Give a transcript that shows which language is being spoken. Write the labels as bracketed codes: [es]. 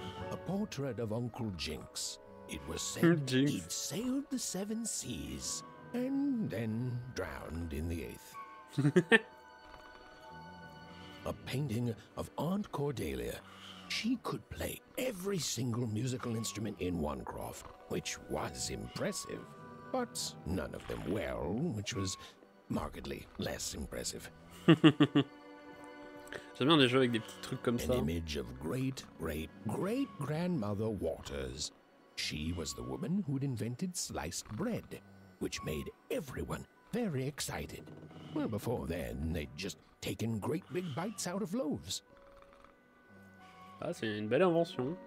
[en] A portrait of Uncle Jinx It was said he'd sailed the seven seas and then drowned in the eighth. A painting of Aunt Cordelia. She could play every single musical instrument in Wancroft, which was impressive, but none of them well, which was markedly less impressive. [fr] J'aime bien des jeux avec des petits trucs comme An ça. [en] Image of great, great, great grandmother Waters. She was the woman who'd invented sliced bread, which made everyone very excited. Well, before then, they'd just taken great big bites out of loaves. [fr] Ah, c'est une belle invention.